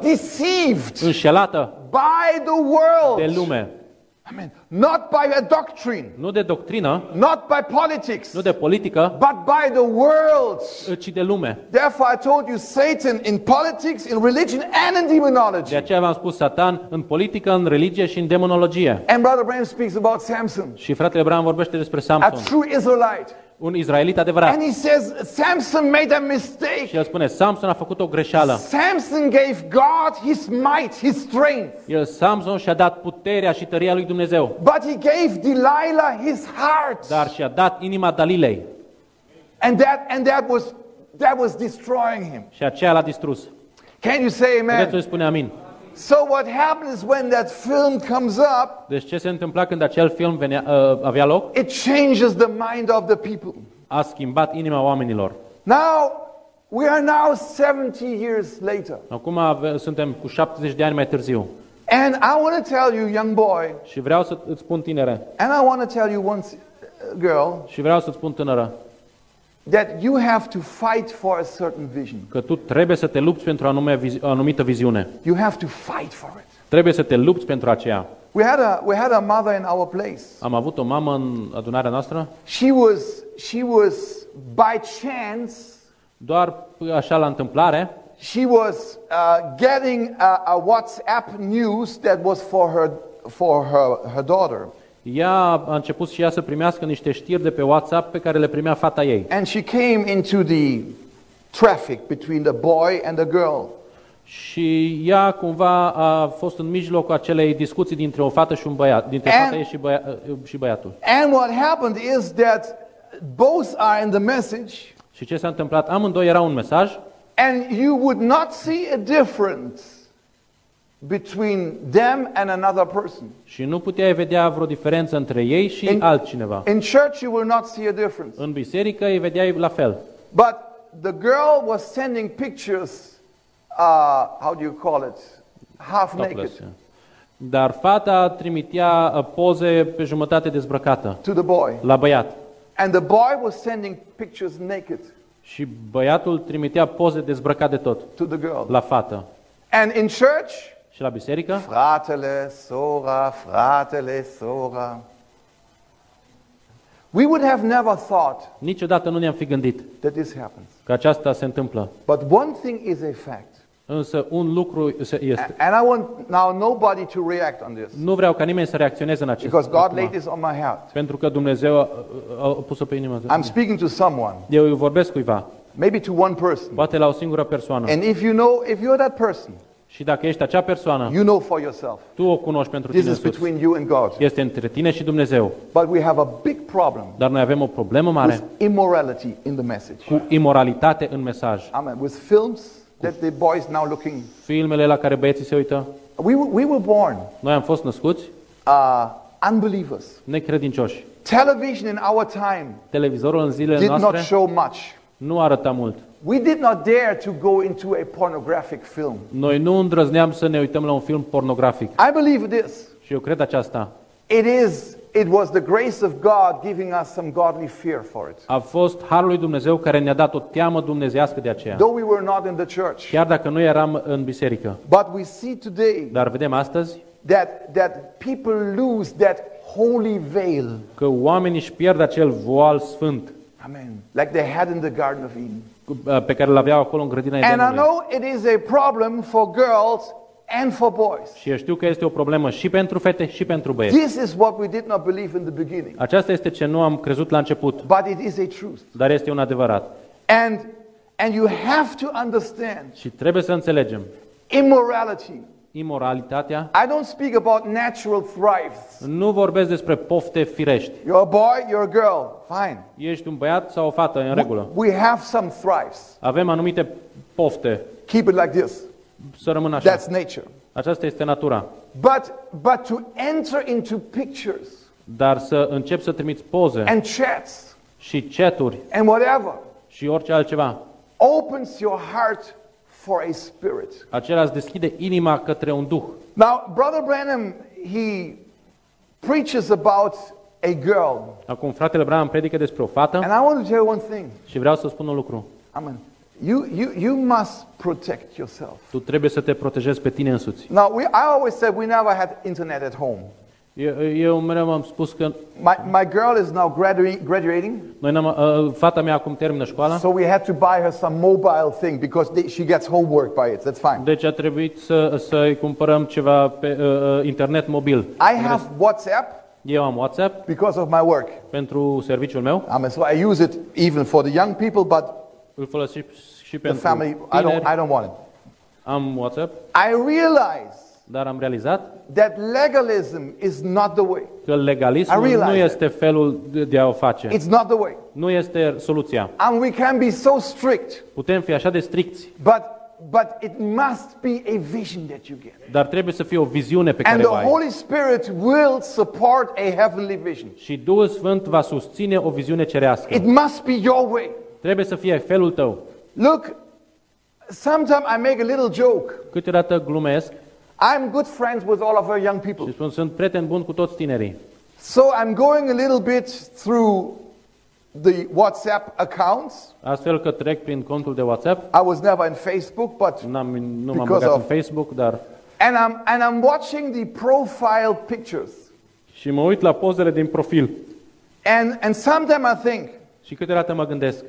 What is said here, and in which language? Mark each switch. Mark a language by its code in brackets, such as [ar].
[en] Deceived. [ro] Înșelată. [en] By the world. [ro] De lume. [en] Amen. Not by a doctrine. [ro] Nu de doctrină. [en] Not by politics. [ro] Nu de politică. [en] But by the world. [ro] Ci de lume. [en] Therefore I told you Satan in politics, in religion and in demonology. [ro] De aceea v-am spus Satan în politică, în religie și în demonologie. [en] And brother Branham speaks about Samson. [ro] Și fratele Branham vorbește despre Samson. [en] A true Israelite. [ro] Un israelit adevărat. [en] And he says Samson made a mistake. [ro] Și el spune Samson a făcut o greșeală. [en] Samson gave God his might, his strength. [ro] El Samson și-a dat puterea și tăria lui Dumnezeu. [en] But he gave Delilah his heart. [ro] Dar și-a dat inima Dalilei. [en] And that was destroying him. [ro] Și aceea l-a distrus. [en] Can you say amen? [ro] Puteți spune amin? [en] So what happens when that film comes up? [ro] Deci ce se întâmpla când acel film avea loc? [en] It changes the mind of the people. [ro] a schimbat inima oamenilor. [en] Now we are now 70 years later. [ro] Acum suntem cu 70 de ani mai târziu. [en] And I want to tell you, young boy. [ro] Și vreau să îți spun, tinere. [en] And I want to tell you once, girl. [ro] Și vreau să îți spun, tânără. [en] That you have to fight for a certain vision. [ro] Că tu trebuie să te lupți pentru anumită viziune. [en] You have to fight for it. [ro] Trebuie să te lupți pentru aceea. [en] We had a mother in our place. [ro] Am avut o mamă în adunarea noastră. [en] She was by chance. [ro] Doar așa la întâmplare. [en] She was getting a WhatsApp news that was for her daughter. [ro] Ea a început și ea să primească niște știri de pe WhatsApp pe care le primea fata ei. [en] And she came into the traffic between the boy and the girl. [ro] Și ea cumva a fost în mijlocul acelei discuții dintre o fată și un băiat, dintre fata ei și băiatul. [en] And what happened is that both are in the message. [ro] Și ce s-a întâmplat? Amândoi erau un mesaj. [en] And you would not see a difference between them and another person. [ro] Și nu puteai vedea vreo diferență între ei și altcineva. [en] In church you will not see a difference. [ro] În biserică îi vedeai la fel. [en] But the girl was sending pictures how do you call it? Half naked. [ro] Dar fata trimitea poze pe jumătate dezbrăcată. [en] To the boy. [ro] La băiat. [en] And the boy was sending pictures naked. [ro] Și băiatul trimitea poze dezbrăcat de tot. [en] To the girl. [ro] La fată. [en] And in church? [ro] Și la biserică? Fratele, sora, fratele, sora. [en] We would have never thought. [ro] Niciodată nu ne-am fi gândit. [en] That this happens. [ro] Că aceasta se întâmplă. [en] But one thing is a fact. [ro] Însă un lucru este. [en] And I want now nobody to react on this. [ro] Nu vreau ca nimeni să reacționeze în acest. [en] Because God laid this on my heart. [ro] Pentru că Dumnezeu a pus-o pe inimă. [en] I'm speaking to someone. [ro] Eu vorbesc cuiva. [en] Maybe to one person. [ro] Poate la o singură persoană. [en] And if you know, if you're that person. [ro] Și dacă ești acea persoană, [en] you know for yourself. [ro] Tu o cunoști pentru [en] this [ro] tine [en] is between you and God. [ro] Este între tine și Dumnezeu. [en] But we have a big problem. [ro] Dar noi avem o problemă mare. [en] With immorality in the message. [ro] Cu imoralitate în mesaj. [en] Amen. With films that the boys now looking. [ro] Filmele la care băieții se uită. [en] We were born. [ro] Noi am fost născuți. [en] Unbelievers. [ro] Necredincioși. [en] Television in our time. [ro] Televizorul în zilele [en] did [ro] noastre. [en] Did not show much. [ro] Nu arăta mult. [en] We did not dare to go into a pornographic film. [ro] Noi nu îndrăzneam să ne uităm la un film pornografic. [en] I believe this. [ro] Și eu cred aceasta. [en] It was the grace of God giving us some godly fear for it. [ro] A fost harul lui Dumnezeu care ne-a dat o teamă dumnezeiască de aceea. [en] Though we were not in the church. [ro] Chiar dacă nu eram în biserică. [en] But we see today. [ro] Dar vedem astăzi. [en] That people lose that holy veil. [ro] Că oamenii își pierd acel voal sfânt. [en] Amen. Like they had in the Garden of Eden. [ro] Pe care l-aveau acolo în grădina Edenului. [en] And I know it is a problem for girls and for boys. [ro] Și știu că este o problemă și pentru fete și pentru băieți. [en] This is what we did not believe in the beginning. [ro] Aceasta este ce nu am crezut la început. [en] But it is a truth. [ro] Dar este un adevărat. [en] And you have to understand. [ro] Și trebuie să înțelegem. [en] Immorality. [ro] Imoralitatea. [en] I don't speak about natural thrives. [ro] Nu vorbesc despre pofte firești. [en] You're a boy, you're a girl. Fine. [ro] Ești un băiat sau o fată, în regulă. [en] We have some thrives. [ro] Avem anumite pofte. [en] Keep it like this. [ro] Să rămână așa. [en] That's nature. [ro] Aceasta este natura. [en] But to enter into pictures. [ro] Dar să încep să trimiți poze. [en] And chats. [ro] Și chaturi. [en] And whatever. [ro] Și orice altceva. [en] Opens your heart for a spirit. [ro] Acela îți deschide inima către un duh. [en] Now, Brother Branham, he preaches about a girl. [ro] Acum fratele Branham predică despre o fată. [en] And I want to tell you one thing. [ro] Și vreau să spun un lucru. [en] Amen. You must protect yourself. [ro] Tu trebuie să te protejezi pe tine însuți. [en] Now, I always said we never had internet at home. [ro] Eu mereu am spus că [en] my girl is now graduating. [ro] Noi n-am, fata mea acum termină școala. [en] So we had to buy her some mobile thing because she gets homework by it. That's fine. [ro] Deci a trebuit să îi cumpărăm ceva pe internet mobil. [en] I have WhatsApp. [ro] Eu am WhatsApp. [en] Because of my work. [ro] Pentru serviciul meu. [en] So I use it even for the young people, but [ro] îl folosesc și pentru [en] the family. [ro] Tineri. [en] I don't want it. [ro] Am WhatsApp. [en] I realize. [ro] Dar am realizat [en] that legalism is not the way. [ro] Că legalismul nu este felul de a o face. [en] It's not the way. [ro] Nu este soluția. [en] And we can be so strict. [ro] Putem fi așa de stricți. [en] But but it must be a vision that you get. [ro] Dar trebuie să fie o viziune pe care o ai. [en] And the Holy Spirit will support a heavenly vision. [ro] Și Duhul Sfânt va susține o viziune cerească. [en] It must be your way. [ro] Trebuie să fie felul tău. [en] Look, sometimes I make a little joke. [ro] Câteodată glumesc. [en] I'm good friends with all of our young people. [ro] Și spun, sunt prieten bun cu toți tinerii. [en] So I'm going a little bit through the WhatsApp accounts. [ro] Astfel că trec prin contul de WhatsApp. [en] I was never in Facebook, but [ro] nu m-am băgat în Facebook, dar [en] And I'm watching the profile pictures. [ro] Și mă uit la pozele din profil. [en] And sometimes I think. [ro] Și câteodată mă gândesc.